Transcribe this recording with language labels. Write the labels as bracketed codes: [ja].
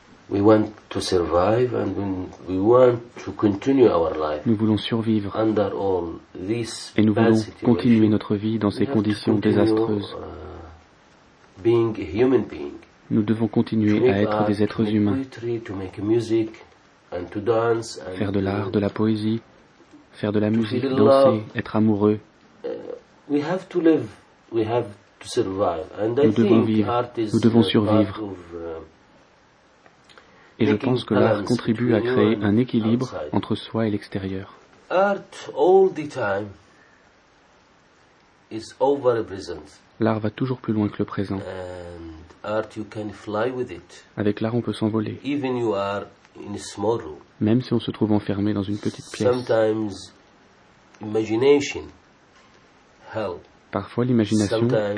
[en] We want to survive and we want to continue our life. [fr] Nous voulons survivre [en] under all this [fr] et nous voulons continuer notre vie dans ces conditions désastreuses. [en] Being a human being. [fr] Nous devons continuer [en] to make [fr] à être [en] art, [fr] des êtres humains. [en] Poetry, to make music. And to dance, and [fr] faire de l'art, de la poésie, faire de la musique, danser, être amoureux. [en] We have to live, we have to survive. And [fr] nous devons vivre, nous devons survivre. Et je pense que l'art contribue à créer un équilibre entre soi et l'extérieur. [en] Art all the time is over the present. [fr] L'art va toujours plus loin que le présent. [en] And art, you can fly with it. [fr] Avec l'art, on peut s'envoler. [en] Even you are in a small room. [fr] Même si on se trouve enfermé dans une petite pièce. [en] Sometimes imagination helps. [fr] Parfois l'imagination [en] sometimes